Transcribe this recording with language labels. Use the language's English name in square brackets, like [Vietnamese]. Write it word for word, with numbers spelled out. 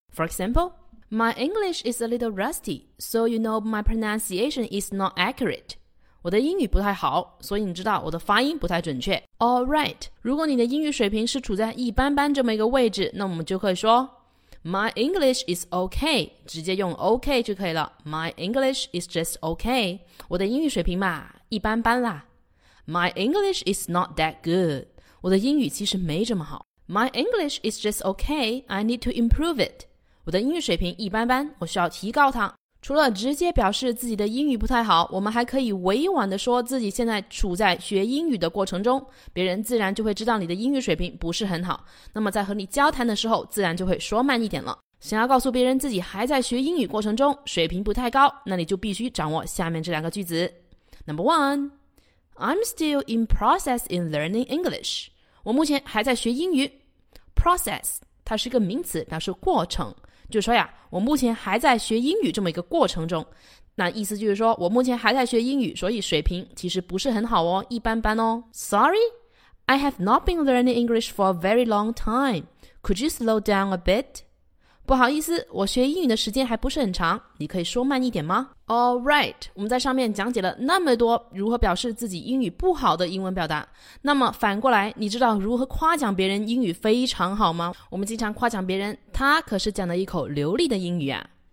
[English] For example, My English is a little rusty, so you know my pronunciation is not accurate. [Chinese] 我的英语不太好，所以你知道我的发音不太准确。 [English] All right, [Chinese] 如果你的英语水平是处在一般般这么一个位置，那我们就可以说 [English] My English is okay， [Chinese] 直接用 okay 就可以了。 [English] My English is just okay， [Chinese] 我的英语水平嘛，一般般啦。 [English] My English is not that good， [Chinese] 我的英语其实没这么好。 [English] My English is just okay, I need to improve it， [Chinese] 我的英语水平一般般，我需要提高它。除了直接表示自己的英语不太好，我们还可以委婉地说自己现在处在学英语的过程中，别人自然就会知道你的英语水平不是很好，那么在和你交谈的时候，自然就会说慢一点了。想要告诉别人自己还在学英语过程中，水平不太高，那你就必须掌握下面这两个句子。 [English] Number one, I'm still in process in learning English. [Chinese] 我目前还在学英语。 Process 它是一个名词，表示过程，就说呀，我目前还在学英语这么一个过程中，那意思就是说我目前还在学英语，所以水平其实不是很好哦，一般般哦。 [English] Sorry, I have not been learning English for a very long time. Could you slow down a bit? [Chinese] 不好意思，我学英语的时间还不是很长，你可以说慢一点吗？ [English] All right, [Chinese] 我们在上面讲解了那么多如何表示自己英语不好的英文表达，那么反过来，你知道如何夸奖别人英语非常好吗？我们经常夸奖别人，他可是讲了一口流利的英语啊。